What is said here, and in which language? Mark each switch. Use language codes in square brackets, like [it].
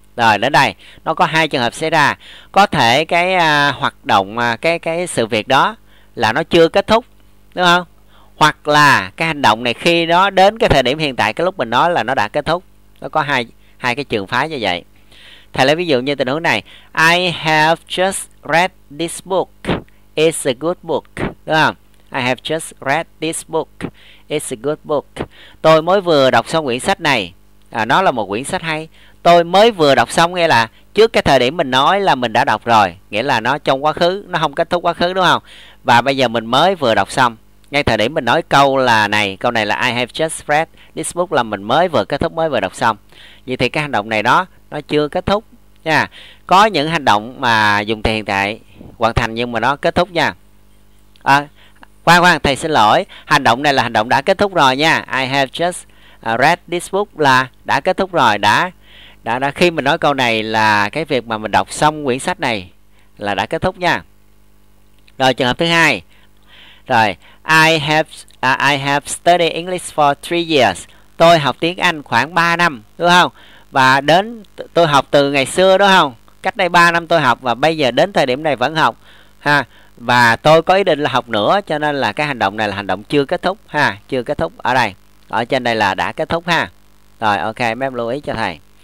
[vi] Rồi, đến đây nó có hai trường hợp xảy ra. Có thể cái hoạt động, cái sự việc đó là nó chưa kết thúc, đúng không? Hoặc là cái hành động này khi nó đến cái thời điểm hiện tại, cái lúc mình nói là nó đã kết thúc. Nó có hai cái trường phái như vậy. Thầy lấy ví dụ như tình huống này. [en] I have just read this book. It's a good book, [vi] đúng không? [en] I have just read this book. It's a good book. [vi] Tôi mới vừa đọc xong quyển sách này. Nó là một quyển sách hay. Tôi mới vừa đọc xong, nghĩa là trước cái thời điểm mình nói là mình đã đọc rồi, nghĩa là nó trong quá khứ, nó không kết thúc quá khứ, đúng không? Và bây giờ mình mới vừa đọc xong, ngay thời điểm mình nói câu là này, câu này là [en] I have just read this book, [vi] là mình mới vừa kết thúc, mới vừa đọc xong. Vậy thì cái hành động này đó, nó chưa kết thúc nha. Có những hành động mà dùng thì hiện tại hoàn thành nhưng mà nó kết thúc nha. Khoan, thầy xin lỗi, hành động này là hành động đã kết thúc rồi nha. [en] I have just read this book [vi] là đã kết thúc rồi, đã khi mình nói câu này là cái việc mà mình đọc xong quyển sách này là đã kết thúc nha. Rồi, trường hợp thứ hai. Rồi, [en] I have studied English for 3 years. [vi] Tôi học tiếng Anh khoảng 3 năm, đúng không? Và đến tôi học từ ngày xưa, đúng không? Cách đây 3 năm tôi học và bây giờ đến thời điểm này vẫn học ha. Và tôi có ý định là học nữa, cho nên là cái hành động này là hành động chưa kết thúc ha, chưa kết thúc ở đây. Ở trên đây là đã kết thúc ha. Rồi, ok, mấy em lưu ý cho thầy.